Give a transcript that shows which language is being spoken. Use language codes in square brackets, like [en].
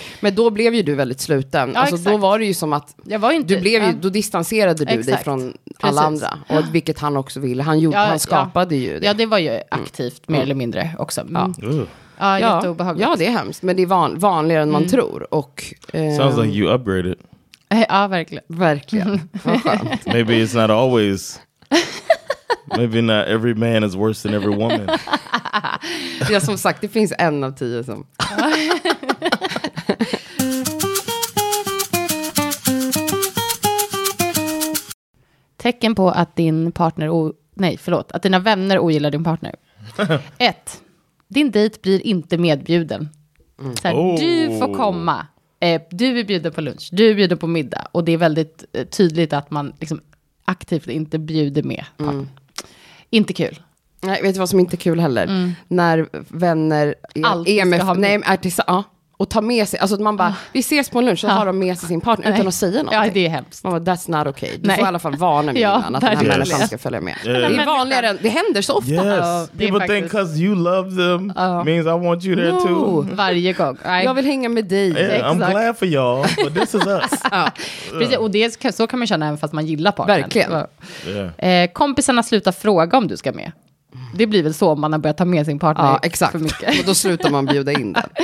[sv] Men då blev ju du väldigt sluten. Ja, alltså då var det ju som att, jag var ju inte, du blev ju, då distanserade du dig från alla andra. Och vilket han också ville. Han gjorde, han skapade ju det. Ja, det var ju aktivt, mer eller mindre också. Jätteobehagligt. Ja, det är hemskt. Men det är vanligare än man tror. Och, [en] Sounds like you upgraded. [sv] Ja, verkligen. Verkligen. [en] Maybe it's not always. Maybe not every man is worse than every woman. [sv] Ja, som sagt, det finns en av tio som. Tecken på att din partner, att dina vänner ogillar din partner. 1. Din dejt blir inte medbjuden. Så här, du får komma. Du är bjuden på lunch, du är bjuden på middag. Och det är väldigt tydligt att man liksom aktivt inte bjuder med. Inte kul. Nej, vet du vad som inte är kul heller? När vänner är med, nej, är tillsammans. och ta med sig, alltså att man bara, vi ses på lunch, så har de med sig sin partner utan att säga någonting. Ja, det är hemskt. Man bara, [en] that's not okay. [sv] Du får i alla fall varna mig innan att den här människan ska följa med. Det är vanligare, det händer så ofta. [en] Yes, people think because you love them means I want you there too. [sv] Varje gång. Jag vill hänga med dig. [en] I'm glad for y'all, but this is us. [sv] Precis, och det, så kan man känna även fast man gillar partnern. Verkligen. Kompisarna slutar fråga om du ska med. Det blir väl så om man har börjat ta med sin partner för mycket. Och då slutar man bjuda in den.